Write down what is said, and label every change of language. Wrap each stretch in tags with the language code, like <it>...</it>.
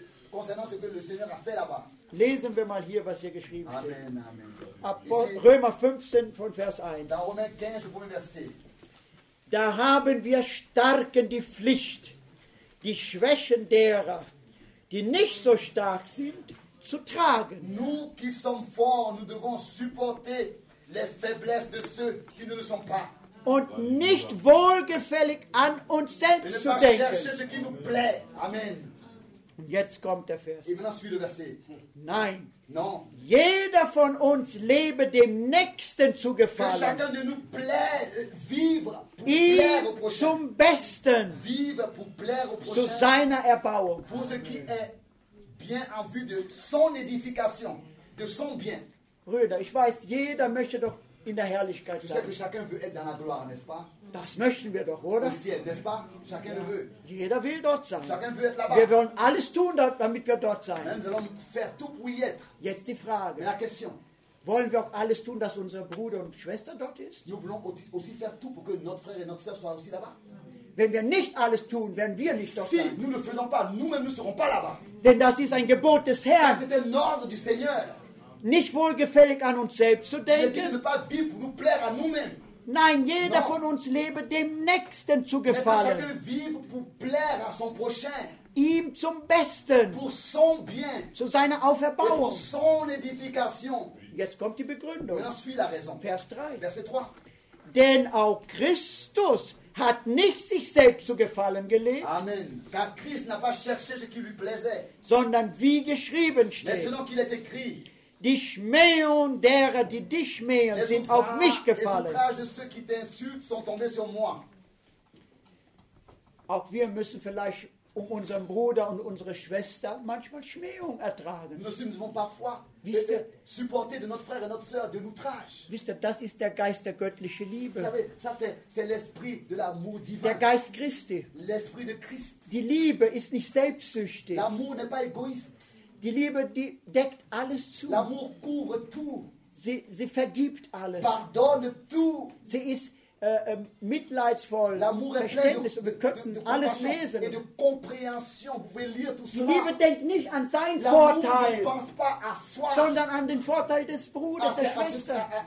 <fr>Concernant ce que le Seigneur a fait là-bas.</fr> <de>Lesen wir mal hier, was hier geschrieben amen, steht. Amen. Römer 15 von Vers 1.</de> <fr>Dans Romains 15, premier verset.</fr> <de>Da haben wir Starken die Pflicht, die Schwächen derer, die nicht so stark sind, zu tragen.</de> <fr>Nous qui sommes forts, nous devons supporter les faiblesses de ceux qui ne le sont pas.</fr> <de>Und nicht wohlgefällig an uns selbst zu denken.</de> <fr>Ne pas chercher ce qui nous plaît.</fr> <de>Amen. Und jetzt kommt der Vers.</de> <fr>Et maintenant suit le verset.</fr> <de>Nein.</de> <fr>Non.</fr> <de>Jeder von uns lebe dem Nächsten zu gefallen.</de> <fr>Que chacun de nous plaise, vivre pour</fr> <de>ihm</de> <fr>plaire au prochain.</fr> <de>Zum Besten.</de> <fr>Vivre pour plaire au prochain.</fr> <de>Zu seiner Erbauung.</de> <fr>Pour ce qui est bien en vue de son édification, de son bien.</fr> <de>Brüder, ich weiß, jeder möchte doch in der Herrlichkeit sein.</de> <fr>Je sais que chacun veut être dans la gloire, n'est-ce pas?</fr> <de>Das möchten wir doch, oder?</de> <fr>Ciel, n'est-ce pas? Chacun</fr> <de>ja.</de> <fr>veut.</fr> <de>Jeder will dort sein.</de> <fr>Chacun veut être là-bas.</fr> <de>Wir wollen alles tun, damit wir dort sein.</de> <fr>Nous allons faire tout pour y être.</fr> <de>Jetzt die Frage.</de> <fr>Mais la question.</fr> <de>Wollen wir auch alles tun, dass unser Bruder und Schwester dort ist?</de> <fr>Nous voulons aussi faire tout pour que notre frère et notre sœur soient aussi là-bas.</fr> <de>Wenn wir nicht alles tun, werden wir nicht dort</de> <fr>si</fr> <de>sein.</de> <fr>Nous ne faisons pas, nous-mêmes ne serons pas là-bas.</fr> <de>Denn das ist ein Gebot des Herrn.</de> <fr>C'est un ordre du Seigneur.</fr> <de>Nicht wohlgefällig an uns selbst zu denken.</de> <fr>Ne pas vivre pour nous plaire à nous-mêmes.</fr> <de>Nein, jeder</de> <fr>non.</fr> <de>von uns lebe dem Nächsten zu gefallen.</de> <fr>Chacun vive pour plaire à son prochain.</fr> <de>Ihm zum Besten.</de> <fr>Pour son bien.</fr> <de>Zu seiner Auferbauung.</de> <fr>Pour son édification.</fr> <de>Jetzt kommt die Begründung.</de> <fr>Maintenant suit la raison.</fr> <de>Vers 3.</de> <fr>Verset 3.</fr> <de>Denn auch Christus hat nicht sich selbst zu gefallen gelebt. Amen.</de> <fr>Car Christ n'a pas cherché ce qui lui plaisait.</fr> <de>Sondern wie geschrieben steht.</de> <fr>Mais selon qu'il est écrit.</fr> <de>Die Schmähung derer, die dich schmähen, sind auf mich gefallen.</de> <fr>Les outrages de ceux qui t'insultent sont tombés sur moi.</fr> <de>Auch wir müssen vielleicht um unseren Bruder und unsere Schwester manchmal Schmähung ertragen.</de> <fr>Nous ne sommes parfois</fr> <de>wisst ihr,</de> <fr>supporter de notre frère et notre sœur de l'outrage.</fr> <de>Wisst ihr, das ist der Geist der göttlichen Liebe.</de> <fr>Vous savez, ça c'est l'esprit de l'amour divin.</fr> <de>Der Geist Christi.</de> <fr>L'esprit de Christ.</fr> <de>Die Liebe ist nicht selbstsüchtig.</de> <fr>L'amour n'est pas égoïste.</fr> <de>Die Liebe, die deckt alles zu.</de> <fr>L'amour couvre tout.</fr> <de>Sie vergibt alles.</de> <fr>Pardonne tout.</fr> <de>Sie ist mitleidsvoll.</de> <fr>L'amour est plein de compassion et de compréhension. Vous pouvez lire tout cela.</fr> <de>Die Liebe denkt nicht an seinen</de> <fr>L'amour</fr> <de>Vorteil,</de> <fr>ne pense pas à soi,</fr> <de>sondern an den Vorteil des Bruders, der Schwester.</de>